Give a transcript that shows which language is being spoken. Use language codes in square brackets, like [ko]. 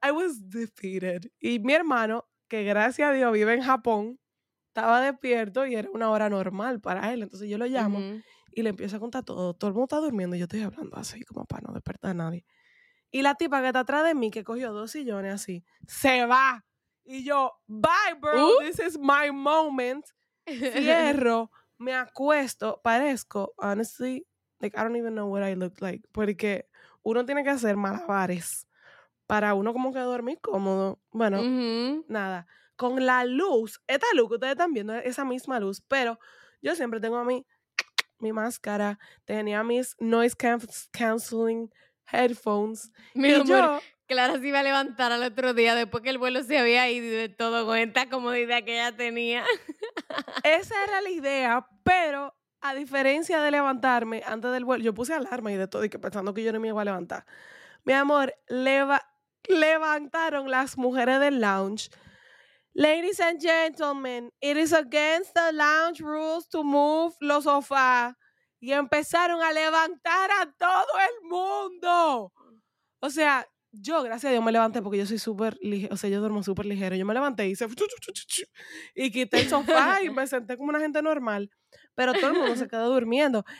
[en] I was defeated. [es] Y mi hermano, que gracias a Dios vive en Japón, estaba despierto y era una hora normal para él. Entonces yo lo llamo y le empiezo a contar todo. Todo el mundo está durmiendo y yo estoy hablando así como para no despertar a nadie. Y la tipa que está atrás de mí, que cogió dos sillones así, se va. Y yo, [en] bye, bro, this is my moment. [es] Cierro, me acuesto, parezco, [en] honestly, like, I don't even know what I look like. [es] Porque uno tiene que hacer malabares para uno como que dormir cómodo. Bueno, nada. Con la luz, esta luz que ustedes están viendo, esa misma luz, pero yo siempre tengo mi máscara, tenía mis [en] noise canceling headphones. [es] Mi amor, yo, Clara se iba a levantar al otro día después que el vuelo se había ido de todo con esta comodidad que ella tenía. Esa era la idea, pero a diferencia de levantarme antes del vuelo, yo puse alarma y de todo, y que pensando que yo no me iba a levantar. Mi amor, levantaron las mujeres del lounge. [en] Ladies and gentlemen, it is against the lounge rules to move [es] los sofás. Y empezaron a levantar a todo el mundo. O sea, yo, gracias a Dios, me levanté porque yo soy súper ligero. O sea, yo duermo súper ligero. Yo me levanté y hice... Y quité el sofá y me senté como una gente normal. Pero todo el mundo se quedó durmiendo.